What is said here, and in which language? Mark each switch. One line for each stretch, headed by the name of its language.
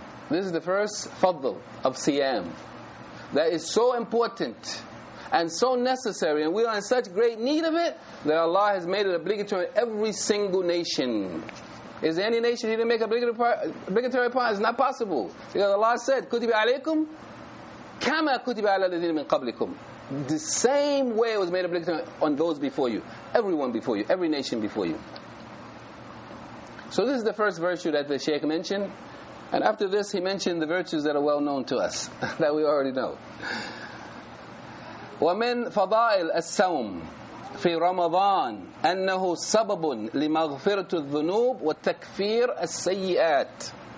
English: This is the first fadl of siyam. That is so important and so necessary, and we are in such great need of it that Allah has made it obligatory in every single nation. Is there any nation He didn't make obligatory upon? It's not possible. Because Allah said,
Arabic: كُتِبَ عَلَيْكُمْ كَمَا كُتِبَ عَلَى الَّذِينَ مِنْ قَبْلِكُمْ.
English: The same way it was made obligatory on those before you. Everyone before you. Every nation before you. So this is the first virtue that the Shaykh mentioned. And after this, he mentioned the virtues that are well known to us, that we already know.
Arabic: وَمِنْ فَضَائِلَ السَّوْمِ فِي رَمَضَانِ أَنَّهُ سَبَبٌ لِمَغْفِرَةُ الذُّنُوبِ وَتَكْفِيرَ السَّيِّئَاتِ.